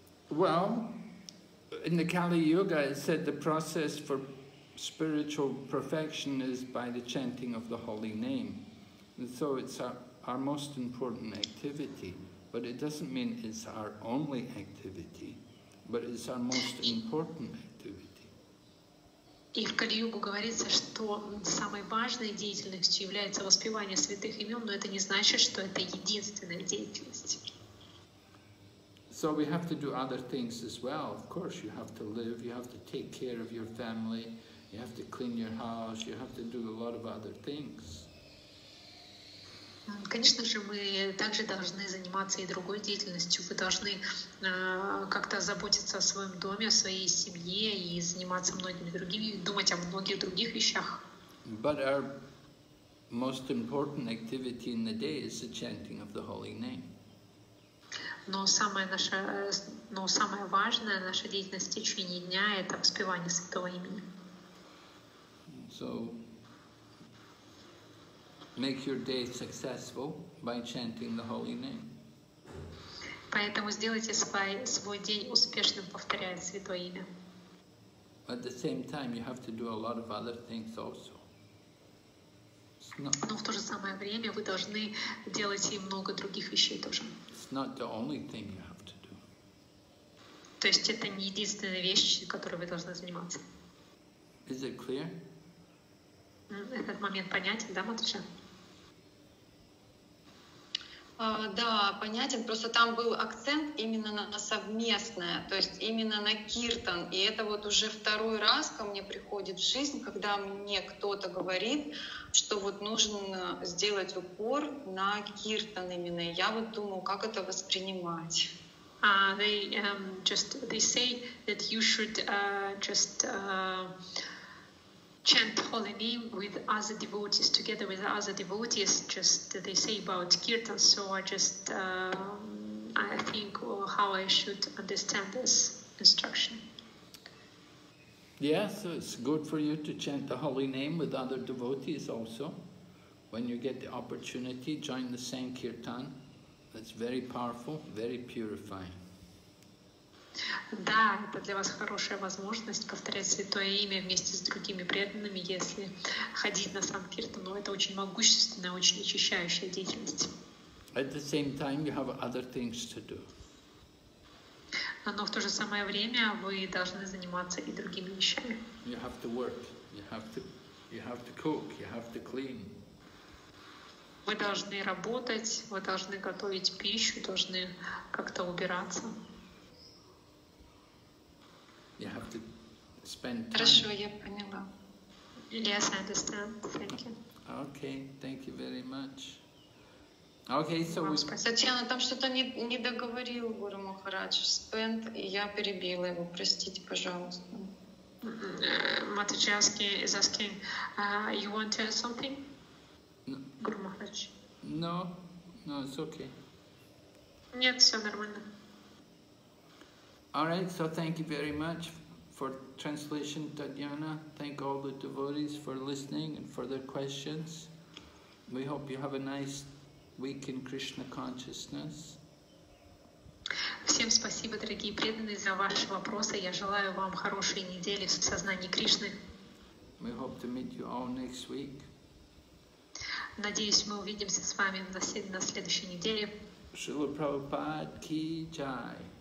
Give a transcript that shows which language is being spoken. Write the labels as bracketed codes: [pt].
[en] Well, in the Kali Yuga, it said the process for spiritual perfection is by the chanting of the holy name. And so it's our most important activity, but it doesn't mean it's our only activity, but it's our most important activity. [ru] И в Кали-Югу говорится, что самой важной деятельностью является воспевание святых имен, но это не значит, что это единственная деятельность. [en] So we have to do other things as well. Of course, you have to live, you have to take care of your family, you have to clean your house, you have to do a lot of other things. [ru] Конечно же, мы также должны заниматься и другой деятельностью. Вы должны как-то заботиться о своем доме, о своей семье и заниматься многими другими, думать о многих других вещах. [en] But our most important activity in the day is the chanting of the holy name. [ru] Но самое важное наша деятельность в течение дня — это воспевание святого имени. [en] So, make your day successful by chanting the holy name. [ru] Поэтому сделайте свой день успешным, повторяя святое имя. [en] At the same time, you have to do a lot of other things also. [ru] Но в то же самое время вы должны делать и много других вещей тоже. [en] Not the only thing you have to do. [ru] То есть это не единственная вещь, которой вы должны заниматься. [en] Is it clear? [ru] Этот момент понятен, да, Матуша? Да, понятен. Просто там был акцент именно на совместное, то есть именно на киртан. И это вот уже второй раз ко мне приходит в жизнь, когда мне кто-то говорит, что вот нужно сделать упор на киртан именно. Я вот думаю, как это воспринимать. [en] They say that you should chant holy name with other devotees, together with other devotees, just they say about kirtan, so I just I think, or how I should understand this instruction. Yeah, so it's good for you to chant the holy name with other devotees also. When you get the opportunity, join the Sankirtan. That's very powerful, very purifying. [ru] Да, это для вас хорошая возможность повторять святое имя вместе с другими преданными, если ходить на Санкирту, но это очень могущественная, очень очищающая деятельность. [en] At the same time, you have other things to do. [ru] Но в то же самое время вы должны заниматься и другими вещами. [en] You have to work, you have to cook, you have to clean. [ru] Вы должны работать, вы должны готовить пищу, должны как-то убираться. [en] You have to spend time. [ru] Хорошо, я поняла. [en] Yes, I understand. Thank you. Okay, thank you very much. Okay, so [ru] Татьяна, там что-то не договорил Гуру Махарадж. Spend, и я перебила его. Простите, пожалуйста. [en] Матаджи is asking, you want to add something? [ru] Гуру Махарадж. [en] No, it's okay. [ru] Нет, все нормально. [en] All right, so thank you very much for translation, Tatyana. Thank all the devotees for listening and for their questions. We hope you have a nice week in Krishna consciousness. [ru] Всем спасибо, дорогие преданные, за ваши вопросы. Я желаю вам хорошей недели в сознании Кришны. [en] We hope to meet you all next week. [ru] Надеюсь, мы увидимся с вами на следующей неделе. Шрила Прабхупада ки джай.